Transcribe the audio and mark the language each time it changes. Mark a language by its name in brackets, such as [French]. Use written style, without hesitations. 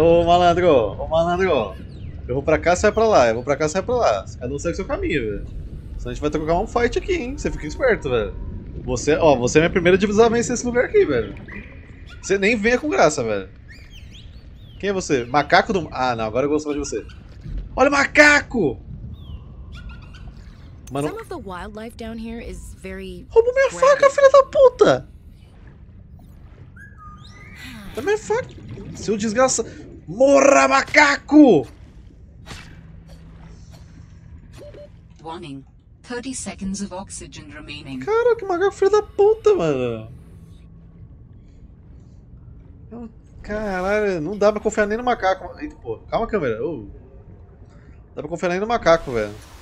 [Portuguese] Ô malandro, ô malandro. Eu vou pra cá, você vai pra lá. Eu vou pra cá, você vai pra lá. Cada um segue o seu caminho, velho. Senão a gente vai ter que colocar um fight aqui, hein. Você fica esperto, velho. Você, ó, você é minha primeira divisão a vencer esse lugar aqui, velho. Você nem venha com graça, velho. Quem é você? Macaco do... Ah, não. Agora eu gosto mais de você. Olha o macaco! Mano... [English] Some of the wildlife down here is very... [Portuguese] Roubou minha faca, filha da puta! Tá minha faca... Seu desgraça... Morra, macaco! [English] Warning. 30 seconds of oxygen remaining. [Portuguese] Cara, que macaco filha da puta, mano! Caralho, não dá pra confiar nem no macaco. Eita, pô. Calma, câmera. Dá pra confiar nem no macaco, velho.